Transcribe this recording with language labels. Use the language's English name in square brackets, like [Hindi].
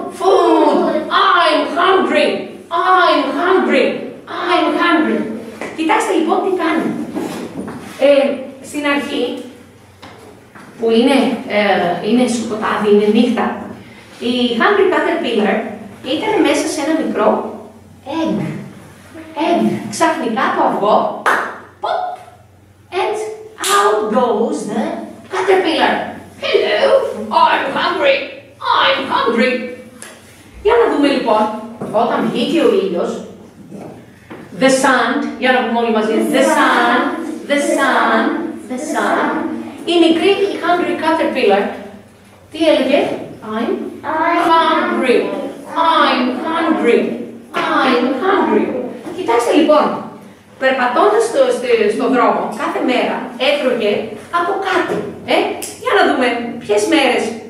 [English] Food. I'm hungry. I'm hungry. I'm hungry. [Greek] Κοιτάξτε λοιπόν τι κάνει. Στην αρχή, που είναι σκοτάδι, είναι νύχτα, η Hungry Caterpillar ήταν μέσα σε ένα μικρό egg. [English] Egg. [Greek] Ξαφνικά το αυγό, [English] pop, and out goes the caterpillar. Hello, I'm hungry. I'm hungry. [Greek] Για να δούμε λοιπόν, όταν βγήκε ο ήλιος, the sun, για να πούμε όλοι μαζί, [English] the sun, the sun, the sun, [Greek] η μικρή, η hungry caterpillar, τι έλεγε, [English] I'm hungry, I'm hungry, I'm hungry. [Greek] Κοιτάξτε λοιπόν, περπατώντας στο δρόμο, κάθε μέρα έτρωγε από κάτι, για να δούμε ποιες μέρες.